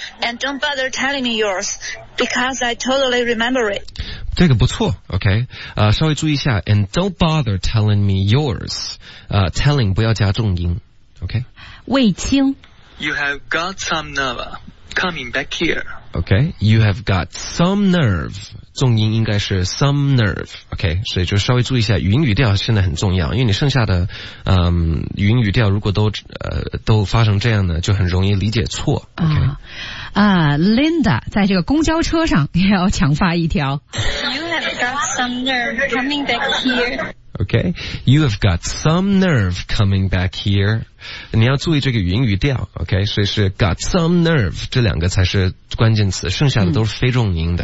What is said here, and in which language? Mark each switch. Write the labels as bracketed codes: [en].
[en] And don't bother telling me yours, because I totally remember it. [zh] 这个不错 ,OK?、稍微注意一下 , [en] and don't bother telling me yours,、 [zh] telling 不要加重音 ,OK? 魏青 [en] You have got some nerve coming back here. Okay, you have got some nerve. [zh] 重音应该是 [en] some nerve. [zh] Okay, 所以就稍微注意一下云语调现在很重要，因为你剩下的，云语调如果都发生这样呢，就很容易理解错。 [en] Okay. [zh] Linda 在这个公交车上也要强发一条。 [en] You have got some nerve coming back here. Okay, you have got some nerve coming back here. [zh] 你要注意这个云语调 OK 所以是 [en] got some nerve [zh] 这两个才是关键词剩下的都是非重音的、